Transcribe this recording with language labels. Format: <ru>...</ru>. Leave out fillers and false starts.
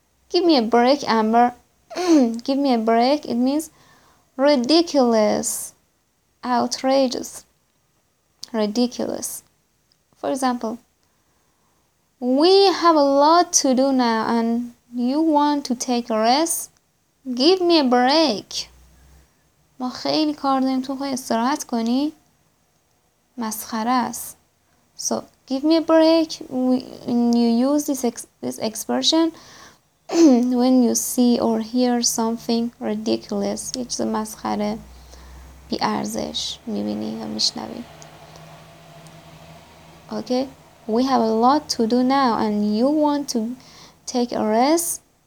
<en>Give me a break, Amber. Give me a break. It means ridiculous. Outrageous. Ridiculous. For example, we have a lot to do now and you want to take a rest? Give me a break.</en> <fa>ما خیلی کار داریم تو خواهی استراحت کنی؟ مسخره است.</fa> <en>So, give me a break. You use this expression when you see or hear something ridiculous.</en> <fa>یه چیز مسخره بی ارزش میبینی یا میشنوی.</fa> <en>Okay, we have a lot to do now and you want to take a rest?</en>